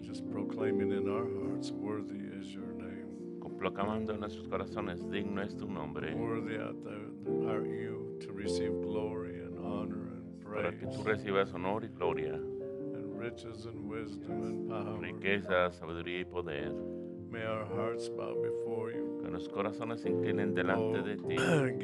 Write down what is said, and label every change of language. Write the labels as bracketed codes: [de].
[en] Just proclaiming in our hearts, worthy is your name. [es] Proclamando en nuestros corazones, digno es tu nombre. [en] Worthy are you to receive glory and honor and praise. [es] Para que tú recibas honor y gloria. [en] And riches and wisdom and power. [es] Riqueza, sabiduría y poder. [en] May our hearts bow before you. [es] Que nuestros corazones se inclinen delante de ti.